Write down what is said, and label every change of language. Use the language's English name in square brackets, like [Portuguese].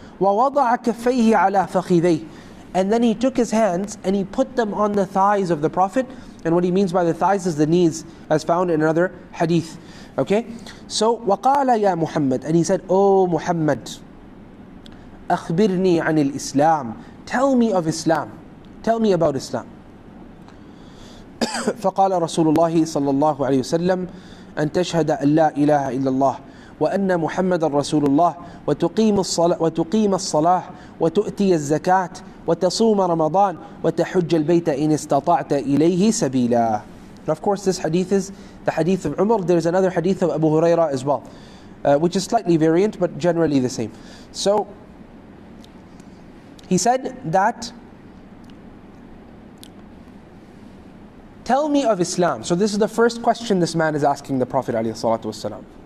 [Arabic] وَوَضَعَ كَفَّيْهِ عَلَىٰ فَخِذَيْهِ [English] And then he took his hands and he put them on the thighs of the Prophet. And what he means by the thighs is the knees, as found in another hadith. Okay? So, [Arabic] وَقَالَ يَا مُحَمَّدُ [English] And he said, Oh Muhammad, [Arabic] أَخْبِرْنِي عَنِ الْإِسْلَامِ [English] Tell me of Islam. Tell me about Islam. [Arabic] فَقَالَ رَسُولُ اللَّهِ صَلَّى اللَّهُ عَلَيْهِ وَسَلَّمُ أَنْ تَشْهَدَ أَنْ لَا إِلَهَ إِلَّا اللَّهِ وَأَنَّ مُحَمَّدًا رَسُولُ اللَّهِ وَتُقِيمَ الصَّلَاةِ وَتُؤْتِيَ الزَّكَاةِ وَتَصُومَ رَمَضَانِ وَتَحُجَّ الْبَيْتَ إِنِ اسْتَطَعْتَ إِلَيْهِ سَبِيلًا [English] Of course, this hadith is the hadith of Umar. There is another hadith of Abu Huraira as well, which is slightly variant, but generally the same. So, he said that, tell me of Islam. So this is the first question this man is asking the Prophet عليه الصلاة والسلام.